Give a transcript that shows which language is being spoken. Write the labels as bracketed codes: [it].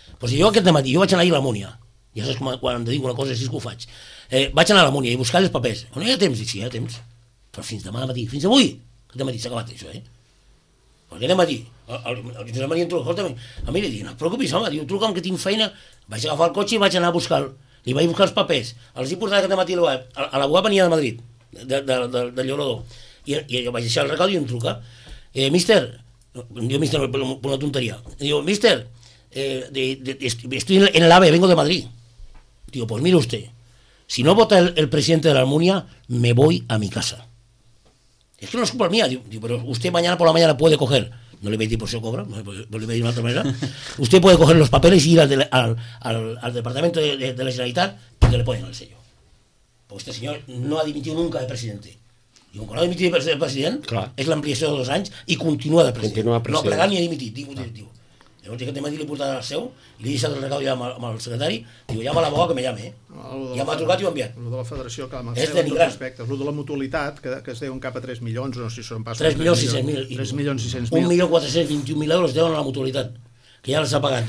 [ca] Pues jo aquest dematí, jo vaig anar ahir a la Múnia, ja saps com quan em dic una cosa així que ho faig, vaig anar a la Múnia i buscar els papers, no hi ha temps, dic, sí, hi ha temps però fins demà al matí, fins avui aquest dematí s'ha acabat això, aquest dematí, el Josep Maria em truca, escolta'm, a mi li diuen, no et preocupis, home, diu, truca'm que tinc feina, vaig agafar el cotxe i vaig anar a buscar-lo. Li vaig buscar els papers, els he portat aquest dematí a la UAP, a la UAP venia de Madrid, de Llorador, i jo vaig deixar el recado i em truca, mister, em diu mister per una tonteria, diu, mister, [es] estoy en el AVE, vengo de Madrid, digo, pues mire usted, si no vota el presidente de la Almunia, me voy a mi casa, es que no es culpa mía, digo, pero usted mañana por la mañana puede coger, no le voy a decir por si cobra, no le voy a decir de otra manera, usted puede coger los papeles y ir al departamento de la Generalitat y que le ponen el sello. Porque este señor no ha dimitido nunca de presidente. Y aunque no ha dimitido de presidente, claro. Es la ampliación de dos años y continúa de presidente. Continúa presidente. No ha plegado ni ha dimitido. Digo, claro. [ca] Llavors, aquest dematí l'he portat a la seu, li he deixat el recado ja amb el secretari, diu, [es] llama a l'abogat que me llame, [ca] eh? Ja m'ha trucat i ho ha enviat. El de la federació, clar, amb el seu, amb aspectes. El de la mutualitat, que es deuen cap a 3 milions, no sé si són pas... 3.600.000. 1.421.000 euros deuen a la mutualitat, que ja els ha pagat.